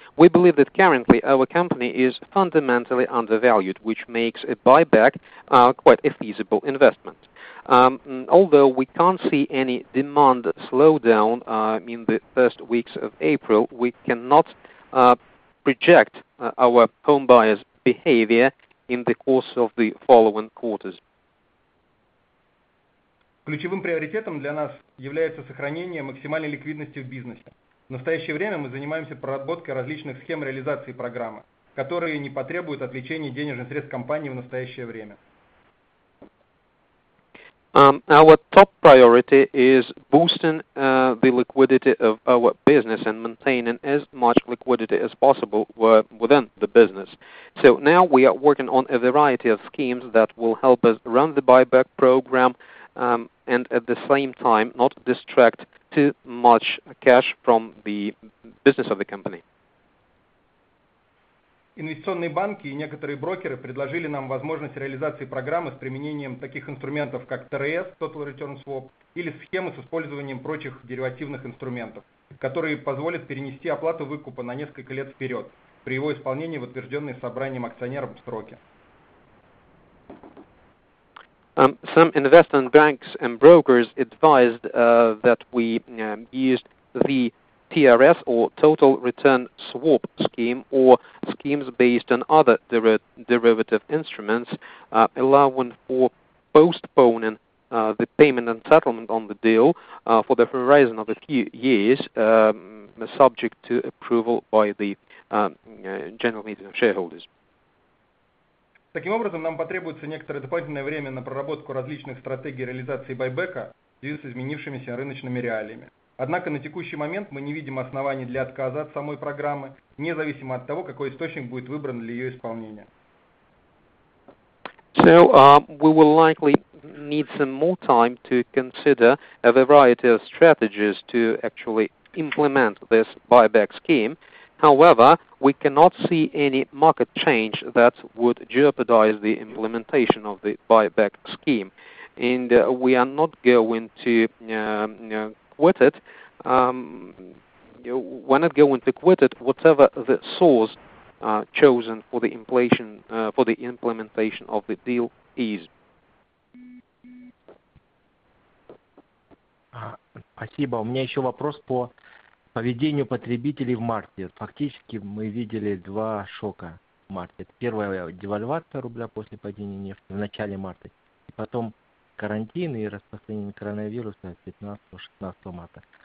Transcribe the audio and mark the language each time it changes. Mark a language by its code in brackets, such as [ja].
[en] We believe that currently our company is fundamentally undervalued, which makes a buyback quite a feasible investment. Although we can't see any demand slowdown in the first weeks of April, we cannot project our home buyers' behavior in the course of the following quarters. [ru] Ключевым приоритетом для нас является сохранение максимальной ликвидности в бизнесе. В настоящее время мы занимаемся проработкой различных схем реализации программы, которые не потребуют отвлечения денежных средств компании в настоящее время. [en] Our top priority is boosting the liquidity of our business and maintaining as much liquidity as possible within the business. So now we are working on a variety of schemes that will help us run the buyback program and at the same time not distract too much cash from the business of the company. [ru] Инвестиционные банки и некоторые брокеры предложили нам возможность реализации программы с применением таких инструментов, как TRS, Total Return Swap, или схемы с использованием прочих деривативных инструментов, которые позволят перенести оплату выкупа на несколько лет вперед при его исполнении в утвержденные собранием акционеров сроки. [en] Some investment banks and brokers advised that we used the TRS or Total Return Swap scheme or schemes based on other derivative instruments allowing for postponing the payment and settlement on the deal for the horizon of a few years subject to approval by the general meeting of shareholders. [ru] Таким образом, нам потребуется некоторое дополнительное время на проработку различных стратегий реализации байбека в связи с изменившимися рыночными реалиями. Однако на текущий момент мы не видим оснований для отказа от самой программы, независимо от того, какой источник будет выбран для ее исполнения. [en] So, we will likely need some more time to consider a variety of strategies to actually implement this buyback scheme. However, we cannot see any market change that would jeopardize the implementation of the buyback scheme. And we are not going to quit it. We're not going to quit it, whatever the source chosen for the implementation of the deal is. [ru] Спасибо. У меня еще вопрос по поведению потребителей в марте. Фактически мы видели два шока в марте. Первая девальвация рубля после падения нефти в начале марта. И потом карантин и распространение коронавируса 15-16 марта.